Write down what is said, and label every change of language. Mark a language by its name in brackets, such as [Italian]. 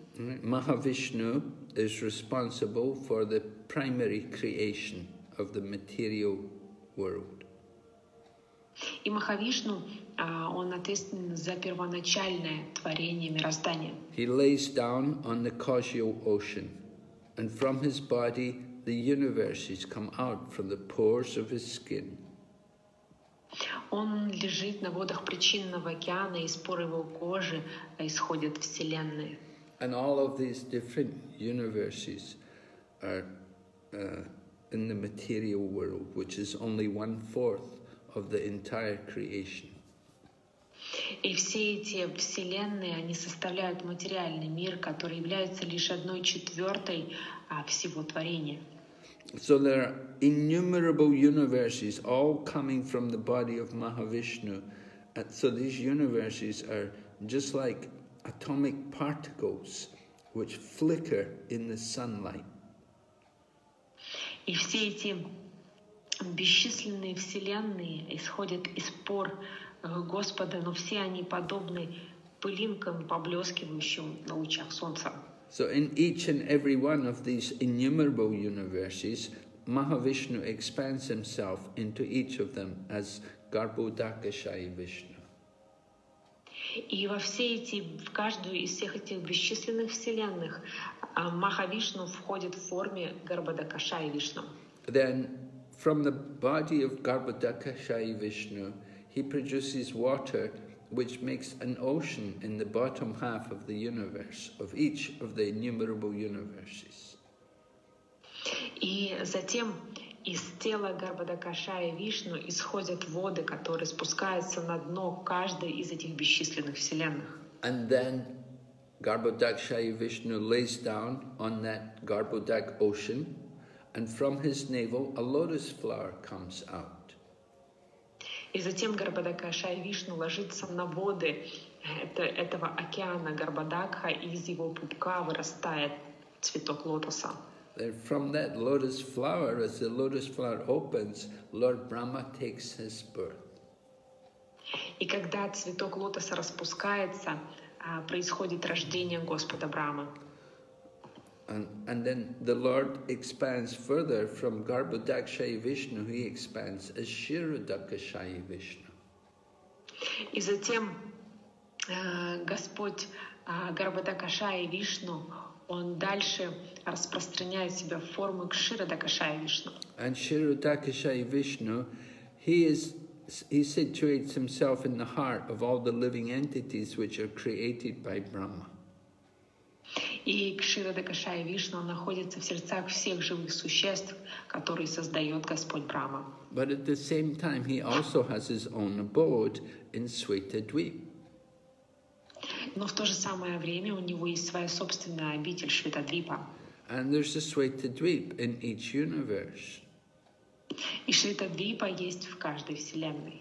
[English] Mahavishnu is responsible for the primary creation of the material world. [Russian] И Махавишну, он ответственен за первоначальное творение мироздания. [English] He lays down on the causal ocean, and from his body the universes come out from the pores of his skin. [Russian] Он лежит на водах причинного океана, и из пор его кожи исходят вселенные. [English] And all of these different universes are in the material world, which is only 1/4 of the entire creation. [Russian] И все эти вселенные, они составляют материальный мир, который является лишь 1/4 всего творения. [English] So there are innumerable universes all coming from the body of Mahavishnu. So these universes are just like atomic particles which flicker in the sunlight. [Russian] И все эти бесчисленные вселенные исходят из пор Господа, но все они подобны пылинкам, поблескивающим на лучах солнца. [English] So in each and every one of these innumerable universes, Mahavishnu expands himself into each of them as Garbhodakshaya Vishnu. [Russian] И во все эти, в каждую из всех этих бесчисленных вселенных, Махавишну входит в форме Гарбходакшая Вишну. [English] Then, from the body of Гарбходакшая Вишну, he produces water, which makes an ocean in the bottom half of the universe, of each of the innumerable universes. [Russian] И затем из тела Гарбходакшая Вишну исходят воды, которые спускаются на дно каждой из этих бесчисленных вселенных. [English] And then Гарбходакшая Вишну lays down on that Гарбходак ocean, and from his navel a lotus flower comes out. [Russian] И затем Гарбходакшая Вишну ложится на воды этого океана Гарбходакха, и из его пупка вырастает цветок лотоса. [English] And from that lotus flower, as the lotus flower opens, Lord Brahma takes his birth. [Russian] И когда цветок лотоса распускается, происходит рождение Господа Брахмы. [English] And then the Lord expands further from Garbhodakshaya Vishnu, he expands as Shirodakshaya Vishnu. [Russian] И затем Господь Гарбходакшая Вишну, он дальше распространяет себя в форму Кширодакшая Вишну. [English] And Shirodakshaya Vishnu, he situates himself in the heart of all the living entities which are created by Brahma. [Russian] И Кширодакшая Вишна находится в сердцах всех живых существ, которые создает Господь Брахма. [English] But at the same time, he also has his own abode in Svetadvip. [Russian] Но в то же самое время у него есть своя собственная обитель Шветадвипа. [English] And there's a Svetadvip in each universe. [Russian] И Шветадвипа есть в каждой вселенной.